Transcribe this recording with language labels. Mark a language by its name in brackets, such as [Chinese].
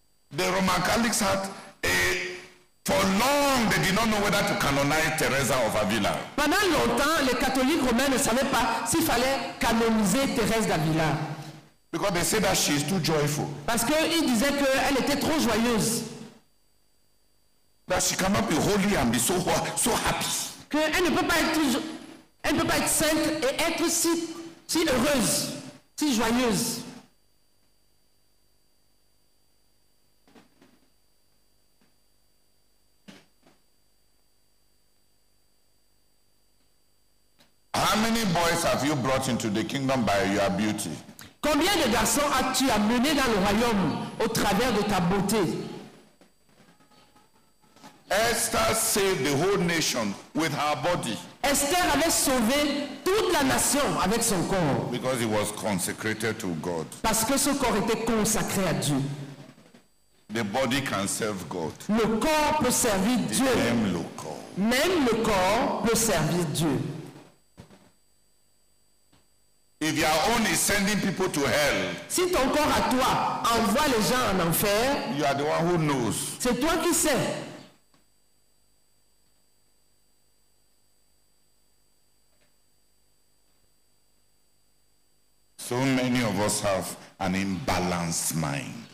[English] The Roman Catholics had a for long, they did not know whether to canonize Teresa of Avila. [French] Pendant longtemps, les catholiques romains ne savaient pas s'il fallait canoniser Teresa d'Avila. [English] Because they said that she is too joyful. [French] Parce qu'ils disaient qu'elle était trop joyeuse. [English] That she cannot be holy and be so happy. [French] Qu'elle ne peut pas être toujours, elle ne peut pas être sainte et être si heureuse, si joyeuse. [English] How many boys have you brought into the kingdom by your beauty? [French] Combien de garçons as-tu amené dans le royaume au travers de ta beauté? [English] Esther saved the whole nation with her body. [French] Esther avait sauvé toute la nation avec son corps. [English] Because it was consecrated to God. [French] Parce que ce corps était consacré à Dieu. [English] The body can serve God. [French] Le corps peut servir Dieu. Même le corps. Même le corps peut servir Dieu. [English] If your own is sending people to hell, [French] si ton corps à toi envoie les gens en enfer, [English] you are the one who knows. [French] C'est toi qui sais. [English] So many of us have an imbalanced mind.